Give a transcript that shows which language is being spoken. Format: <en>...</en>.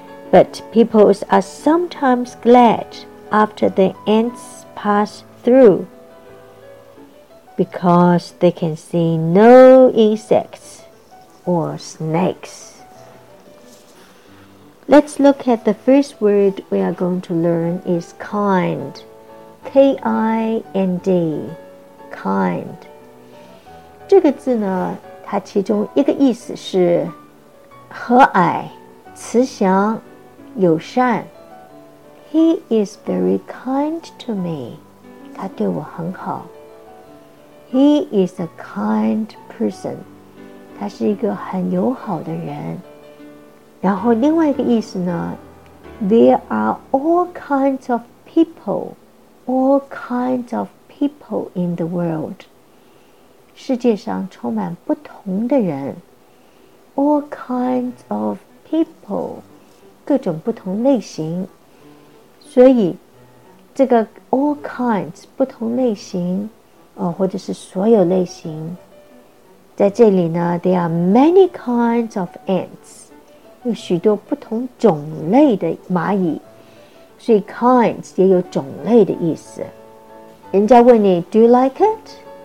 <en>But people are sometimes glad after the ants pass through because they can see no insects or snakes. Let's look at the first word we are going to learn is kind. K-I-N-D, kind.</en> <zh>这个字呢它其中一个意思是和蔼、慈祥、友善。</zh> <en>He is very kind to me.</en> <zh>他对我很好。</zh> <en>He is a kind person.</en> <zh>他是一个很友好的人。然后另外一个意思呢</zh> <en>,There are all kinds of people, all kinds of people in the world.</en> <zh>世界上充满不同的人 All kinds of people 各种不同类型所以这个 all kinds 不同类型、或者是所有类型在这里呢</zh> <en>There are many kinds of ants</en> <zh>有许多不同种类的蚂蚁所以 kinds 也有种类的意思人家问你</zh> <en>Do you like it?</en>